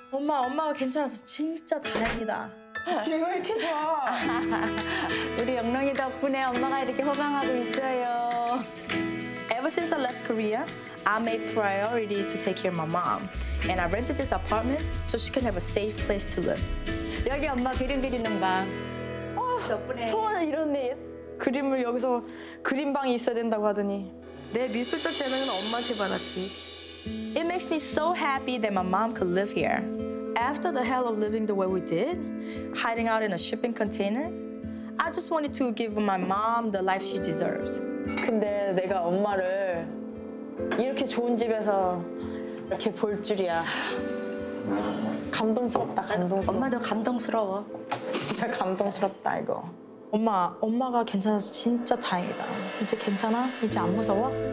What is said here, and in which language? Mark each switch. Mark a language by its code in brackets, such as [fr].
[ko] 엄마, 엄마가 괜찮아서 진짜 다행이다. 지금 왜 이렇게 좋아? 우리 영롱이 덕분에 엄마가 이렇게 호강하고 있어요. [en] Ever since I left Korea, I made priority to take care of my mom. And I rented this apartment so she can have a safe place to live. [ko] 여기 엄마 그림 그리는 방. 덕분에. 소원을 이뤘네. 그림을 여기서 그림방이 있어야 된다고 하더니. 내 미술적 재능은 엄마한테 받았지. [en] It makes me so happy that my mom could live here. After the hell of living the way we did, hiding out in a shipping container, I just wanted to give my mom the life she deserves. [ko] 근데 내가 엄마를 이렇게 좋은 집에서 이렇게 볼 줄이야. 감동스럽다, 감동스럽다. 엄마도 감동스러워. 진짜 감동스럽다, 이거. 엄마, 엄마가 괜찮아서 진짜 다행이다. 이제 괜찮아? 이제 안 무서워?